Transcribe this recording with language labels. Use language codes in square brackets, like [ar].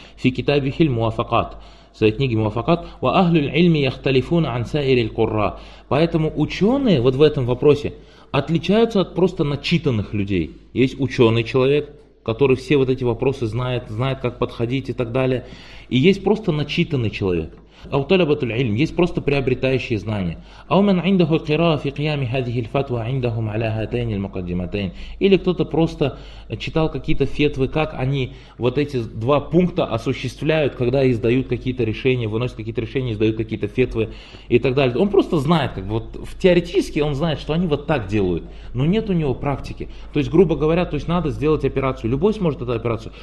[ar] Фи китабихиль муафакат. [ru] В своей книге муафакат. [ar] Ва ахлюль ильми яхталифуна ан саирил курра. [ru] Поэтому ученые вот в этом вопросе отличаются от просто начитанных людей. Есть ученый человек, который все вот эти вопросы знает, знает, как подходить и так далее. И есть просто начитанный человек. [ar] أو طلبة العلم, [ru] есть просто приобретающие знания. [ar] أو من عنده قراءة في قيام هذه الفتوى عندهم على هاتين المقدمتين. [ru] Или кто-то просто читал какие-то фетвы, как они вот эти два пункта осуществляют, когда издают какие-то решения, выносят какие-то решения, издают какие-то фетвы и так далее. Он просто знает, как бы вот теоретически он знает, что они вот так делают, но нет у него практики. То есть, грубо говоря, то есть надо сделать операцию. Любой сможет эту операцию.